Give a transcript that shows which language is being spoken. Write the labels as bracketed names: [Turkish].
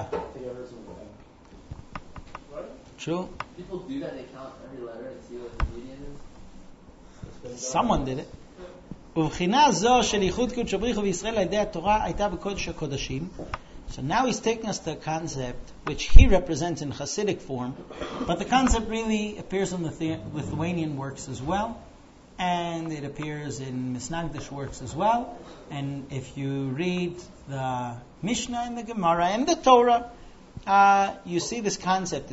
[English] I think I heard something. Right? True. People do that, they count every letter and see what the median is. Someone did it. [Hebrew] ובחינה זו של ייחוד קודש הבריחו וישראל לידי התורה הייתה בקודש הקודשים. [English] So now he's taking us to a concept which he represents in Hasidic form, but the concept really appears in the Lithuanian works as well, and it appears in Misnagdish works as well. And if you read the Mishnah and the Gemara and the Torah, you see this concept.